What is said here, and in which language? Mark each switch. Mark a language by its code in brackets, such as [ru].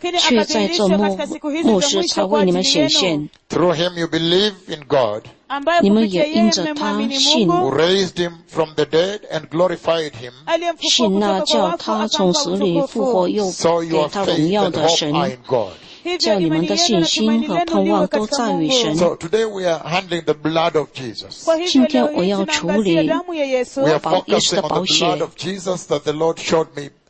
[zh] 基督在创世以前是预先被神知道的，却在这末世才为你们显现。 [en] Through him you believe in God. [zh] 你们也因着他信， [en] who raised him from the dead and glorified him， [zh] 信那叫他从死里复活又给他荣耀的神，叫你们的信心和盼望都在于神。 [en] So today we are handling the blood of Jesus. [zh] 今天我要处理， [en] we are focusing on the blood of Jesus that the Lord showed me.